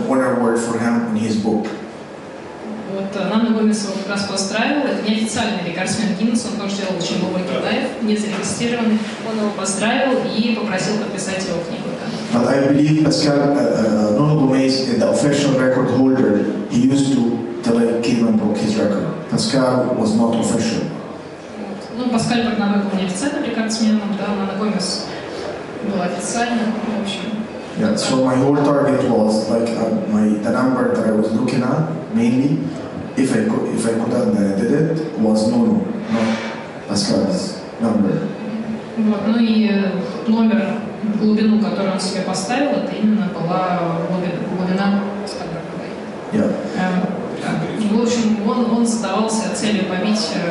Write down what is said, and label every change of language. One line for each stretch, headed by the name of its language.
Russian: Вот Нана Гомес его как раз поздравил, это неофициальный рекордсмен Гиннесса, он тоже делал очень глубокий дайв, не зарегистрированный, он его поздравил и попросил подписать его книгу.
English: But I believe Pascal Nuno Gomes, the official record holder, he used to tell him came and broke his record. Pascal was not official.
Russian: Ну, Паскаль Барнабе был неофициальным рекордсменом, да, Нана Гомес был официальным, в общем.
English: Yeah, so my whole target was like the number that I was looking at mainly, if I could have did it, was Nuno, not Pascal's number.
Russian: Вот, ну и номер, глубину, которую он себе поставил, это именно была глубина Скандерковой. В общем, он задавался целью побить...